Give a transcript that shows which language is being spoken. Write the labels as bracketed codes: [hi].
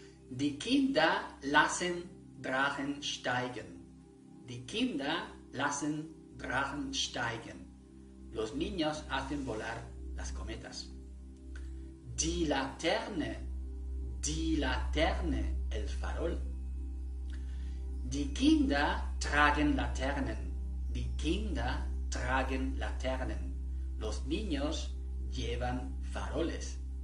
[de] Die Kinder lassen Drachen steigen. Die Kinder lassen Drachen steigen. [es] Los niños hacen volar las cometas. [de] Die Laterne. Die Laterne. [es] El farol. [de] Die Kinder tragen Laternen. Die Kinder tragen Laternen. [es] Los niños llevan faroles.